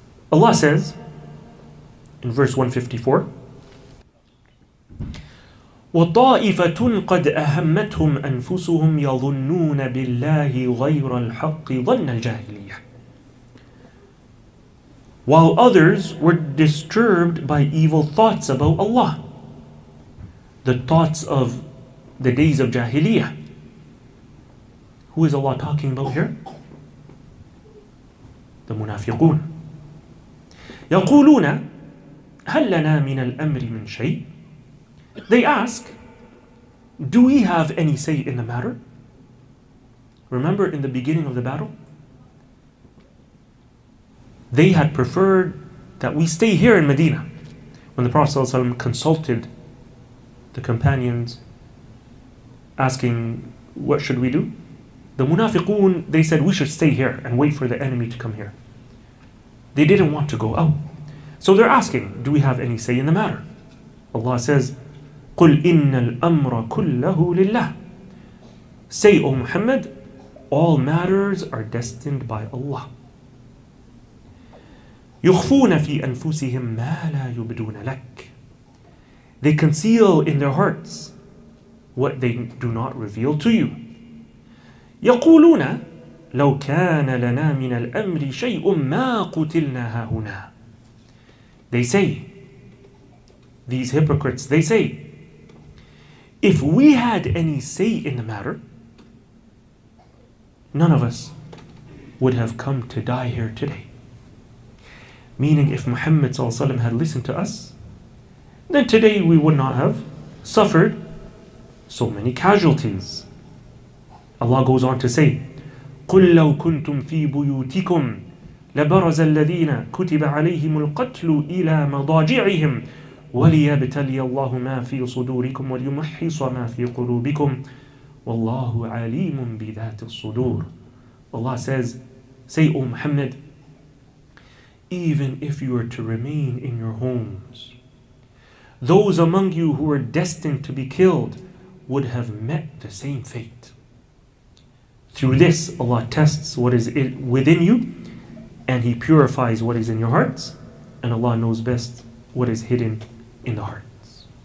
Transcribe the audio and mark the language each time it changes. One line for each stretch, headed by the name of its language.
English: Allah says in verse 154,
Arabic: وَطَائِفَةٌ قَدْ أَهَمَّتْهُمْ أَنفُسُهُمْ يَظُنُّونَ بِاللَّهِ غَيْرَ الْحَقِّ ظَنَّ الْجَاهِلِيَّةِ.
English: While others were disturbed by evil thoughts about Allah, the thoughts of the days of Jahiliyyah. Who is Allah talking about here?
Arabic: The Munafiqun. يَقُولُونَ هَلْ لَنَا مِنَ الْأَمْرِ مِنْ شَيْءٍ.
English: They ask, do we have any say in the matter? Remember in the beginning of the battle? They had preferred that we stay here in Medina when the Prophet ﷺ consulted the companions asking, what should we do? The Munafiqun, they said, we should stay here and wait for the enemy to come here. They didn't want to go out. So they're asking, do we have any say in the matter? Allah says,
Arabic: قُلْ إِنَّ الْأَمْرَ كُلَّهُ لِلَّهِ.
English: Say, O Muhammad, all matters are destined by Allah.
Arabic: يُخْفُونَ فِي أَنفُسِهِمْ مَا لَا يُبْدُونَ لَكَ.
English: They conceal in their hearts what they do not reveal to you.
Arabic: يَقُولُونَ لَوْ كَانَ لَنَا مِنَ الْأَمْرِ شَيْءٌ مَا قُتِلْنَا هَهُنَا.
English: They say, these hypocrites, they say, if we had any say in the matter, none of us would have come to die here today. Meaning, if Muhammad ﷺ had listened to us, then today we would not have suffered so many casualties. Allah goes on to say,
Arabic: قُلْ لَوْ كُنْتُمْ فِي بُيُوتِكُمْ لَبَرَزَ الَّذِينَ كُتِبَ عَلَيْهِمُ الْقَتْلُ إِلَى مَضَاجِعِهِمْ وَلِيَبْتَلِيَ اللَّهُ مَا فِي صُدُورِكُمْ وَلِيُمَحِّصَ مَا فِي قُلُوبِكُمْ وَاللَّهُ عَلِيمٌ بِذَاتِ الصُّدُورِ.
English: Allah says, say, O Muhammad, even if you were to remain in your homes, those among you who were destined to be killed would have met the same fate. Through this, Allah tests what is within you, and He purifies what is in your hearts, and Allah knows best what is hidden in the hearts.